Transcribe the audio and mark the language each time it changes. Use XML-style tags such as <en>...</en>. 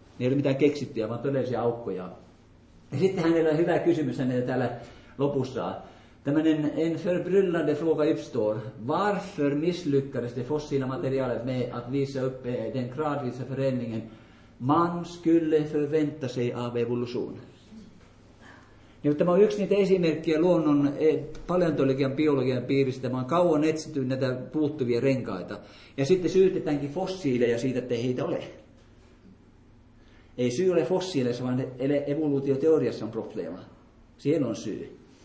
<fi>Ne ei ole mitään keksittyjä, vaan todellisia aukkoja. Ja sitten hänellä on hyvä kysymys hänellä täällä lopussa. Tämmöinen</fi> <sv>en förbryllande fråga uppstår. Varför misslyckades det fossila materialet med att visa upp den gradvisa förändringen man skulle förvänta sig av evolution?</sv> <fi>Tämä on yksi niitä esimerkkejä luonnon paleontologian, biologian piiristä. Mä oon kauan etsitty näitä puuttuvia renkaita. Ja sitten syytetäänkin fossiileja siitä, että ei heitä ole. Ei syy ole fossiileissa, vaan evoluutioteoriassa on probleema. Siellä on syy.</fi>